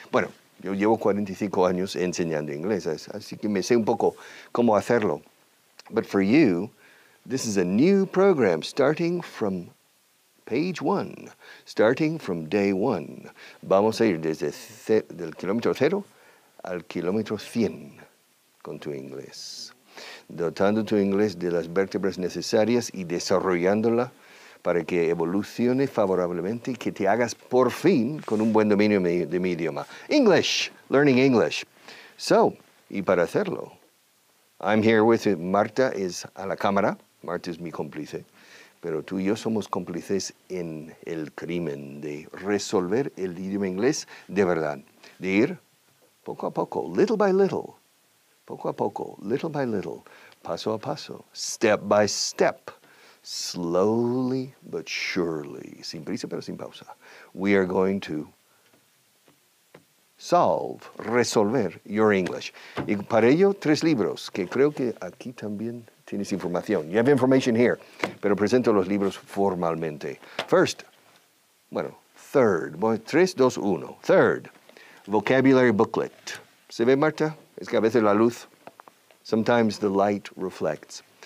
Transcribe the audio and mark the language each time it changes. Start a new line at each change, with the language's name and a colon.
Spanish: Bueno, yo llevo 45 años enseñando inglés, así que me sé un poco cómo hacerlo.
English: But for you, this is a new program starting from page one, starting from day one.
Spanish: Vamos a ir desde del kilómetro cero al kilómetro 100 con tu inglés. Dotando tu inglés de las vértebras necesarias y desarrollándola para que evolucione favorablemente y que te hagas por fin con un buen dominio de mi idioma.
English: English, learning English. So,
Spanish: y para hacerlo,
English: I'm here with you.
Spanish: Marta is a la cámara. Marta es mi cómplice. Pero tú y yo somos cómplices en el crimen de resolver el idioma inglés de verdad. De ir poco a poco,
English: little by little.
Spanish: Poco a poco, little by little. Paso a paso,
English: step by step. Slowly but surely.
Spanish: Sin prisa pero sin pausa.
English: We are going to solve, resolver your English.
Spanish: Y para ello, tres libros que creo que aquí también tienes información.
English: You have information here,
Spanish: pero presento los libros formalmente. First, bueno, third, bueno, tres, dos, uno.
English: Third, vocabulary booklet.
Spanish: ¿Se ve,
English: Marta?
Spanish: Es que a veces la luz,
English: sometimes the light reflects.